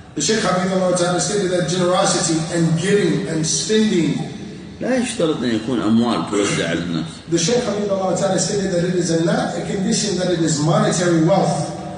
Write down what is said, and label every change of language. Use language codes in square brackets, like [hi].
[ar] الشيخ حفظه الله تعالى [en] stated that generosity and giving and spending [ar] لا يشترط أن يكون أموال توزع على الناس. [en] The Shaykh Hafidhullah Ta'ala stated that it is not a condition that it is monetary wealth.